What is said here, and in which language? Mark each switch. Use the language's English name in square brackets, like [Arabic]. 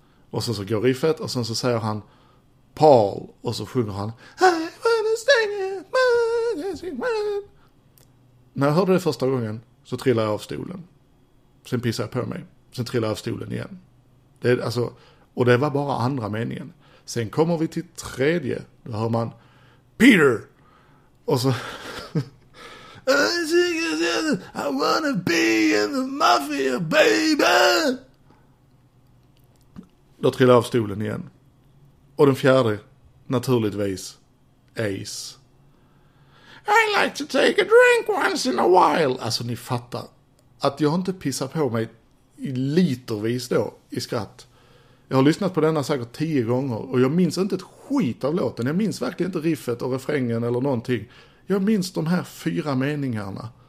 [Swedish] Och sen så går riffet och sen så säger han Paul och så sjunger han [English] I wanna sing it, man, I sing man. [Swedish] När jag hörde det första gången så trillade jag av stolen. Sen pissade jag på mig. Sen trillade jag av stolen igen. Det är, alltså, och det var bara andra meningen. Sen kommer vi till tredje. Då hör man Peter. Och så [English] I sing it, I wanna be in the mafia, baby. [Swedish] Då trillar av stolen igen. Och den fjärde, naturligtvis, Ace. [English] I like to take a drink once in a while. [Swedish] Alltså ni fattar att jag inte pissar på mig i litervis då i skratt. Jag har lyssnat på denna säkert 10 gånger och jag minns inte ett skit av låten. Jag minns verkligen inte riffet och refrängen eller någonting. Jag minns de här 4 meningarna.